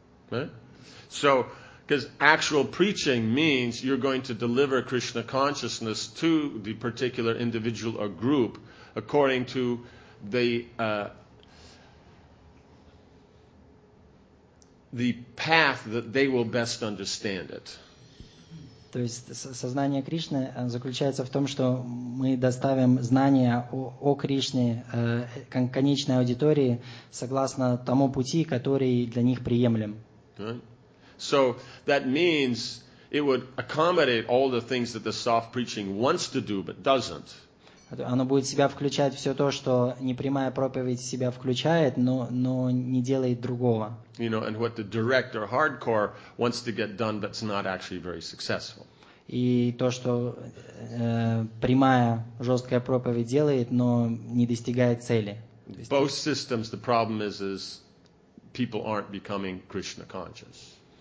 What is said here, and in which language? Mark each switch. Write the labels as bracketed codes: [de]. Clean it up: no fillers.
[en] Right? So, because actual preaching means you're going to deliver Krishna consciousness to the particular individual or group according to the path that they will best understand it. [ru] То есть сознание Кришны заключается в том, что мы доставим знания о Кришне конечной аудитории согласно тому пути, который для них приемлем. [en] So that means it would accommodate all the things that the soft preaching wants to do but doesn't. [ru] Оно будет в себя включать все то, что непрямая проповедь в себя включает, но не делает другого. [en] You know, and what the direct or hardcore wants to get done, but it's not actually very successful. [ru] И то, что прямая жесткая проповедь делает, но не достигает цели. [en] Both systems, the problem is people aren't becoming Krishna conscious.